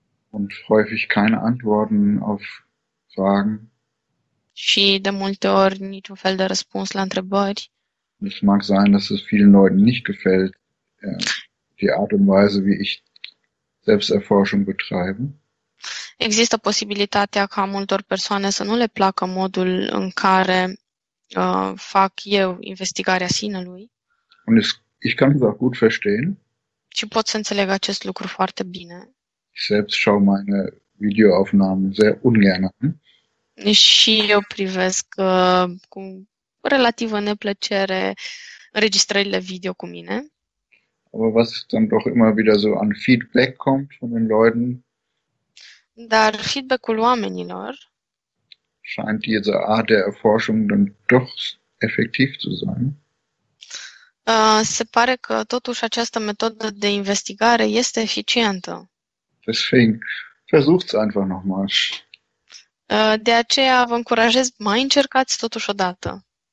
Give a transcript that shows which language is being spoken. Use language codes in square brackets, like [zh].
[de] Und häufig keine Antworten auf Fragen. [ro] Și de multe ori niciun fel de răspuns la întrebări. [de] Es mag sein, dass es vielen Leuten nicht gefällt, die Art und Weise, wie ich Selbsterforschung betreibe. [ro] Există posibilitatea ca multor persoane să nu le placă modul în care fac eu investigarea sinelui [de] Und ich kann es auch gut verstehen. [ro] și pot să înțeleg acest lucru foarte bine. [de] Ich selbst schaue meine Videoaufnahmen sehr ungern an. [ro] Și eu privesc cu relativă neplăcere înregistrările video cu mine. [de] Aber was dann doch immer wieder so an Feedback kommt von den Leuten, [ro] Dar feedback-ul oamenilor [de] scheint diese Art der Erforschung dann doch effektiv zu sein. [ro] Se pare că totuși această metodă de investigare este eficientă. [de] Deswegen versucht's einfach nochmal. [ro] De aceea vă încurajez, mai încercați totuși o dată.